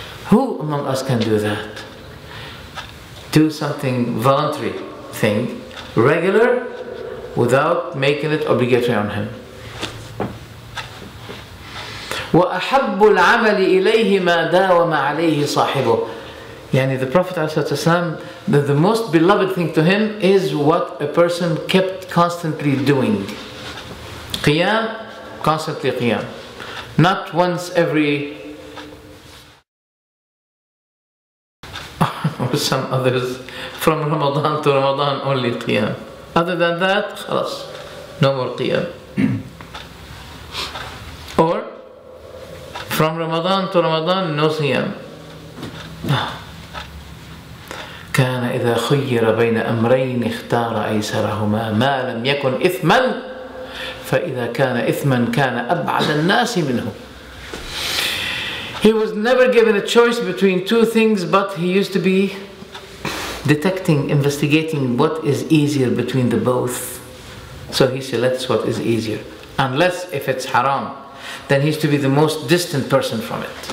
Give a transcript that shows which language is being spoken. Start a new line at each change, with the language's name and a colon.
English: Who among us can do that? Do something voluntary thing, regular, without making it obligatory on him.
Arabic: وَأَحَبُّ الْعَمَلِ إِلَيْهِ مَا دَاوَمَ عَلَيْهِ صَاحِبُهُ. يعني
English: the Prophet ﷺ, the most beloved thing to him is what a person kept constantly doing. قيام, constantly قيام. Not once every or some others from Ramadan to Ramadan only قيام. Other than that,
Arabic: خلاص,
English: no more قيام. Or from Ramadan to Ramadan, no صيام.
Arabic: كان إذا خير بين أمرين اختار أيسرهما ما لم يكن إثما فإذا كان إثما كان أبعد الناس منه.
English: He was never given a choice between two things, but he used to be detecting, investigating what is easier between the both. So he selects what is easier. Unless if it's haram, then he used to be the most distant person from it.